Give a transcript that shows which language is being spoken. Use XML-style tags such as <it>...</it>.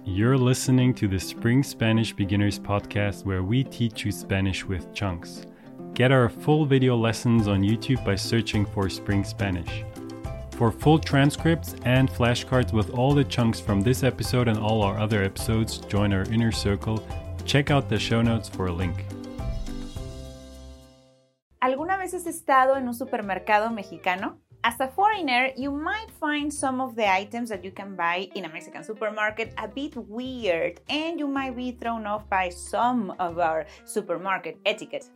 <en>You're listening to the Spring Spanish Beginners podcast where we teach you Spanish with chunks. Get our full video lessons on YouTube by searching for Spring Spanish. For full transcripts and flashcards with all the chunks from this episode and all our other episodes, join our inner circle. Check out the show notes for a link.</en> <es>¿Alguna vez has estado en un supermercado mexicano?</es> <en>As a foreigner, you might find some of the items that you can buy in a Mexican supermarket a bit weird, and you might be thrown off by some of our supermarket etiquette.</en>